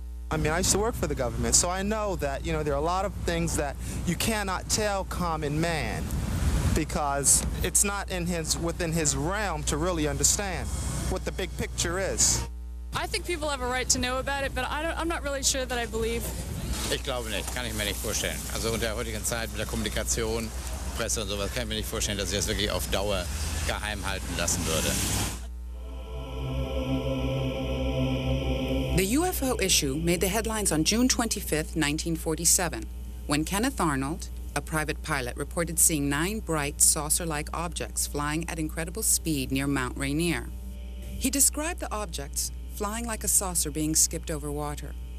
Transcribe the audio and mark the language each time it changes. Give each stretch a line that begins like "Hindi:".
English: I mean, I used to work for the government, so I know that, you know, there are a lot of things that you cannot tell common man because it's not in his within his realm to really understand what the big picture is. I think people have a right to know about it, but I'm not really sure that I believe.
German: Ich glaube nicht, kann ich mir nicht vorstellen. Also in der heutigen Zeit mit der Kommunikation, Presse und sowas, kann ich mir nicht vorstellen, dass ich das wirklich auf Dauer geheim halten lassen würde.
English: The UFO issue made the headlines on June 25, 1947, when Kenneth Arnold, a private pilot, reported seeing nine bright saucer-like objects flying at incredible speed near Mount Rainier. He described the objects flying like a saucer being skipped over water.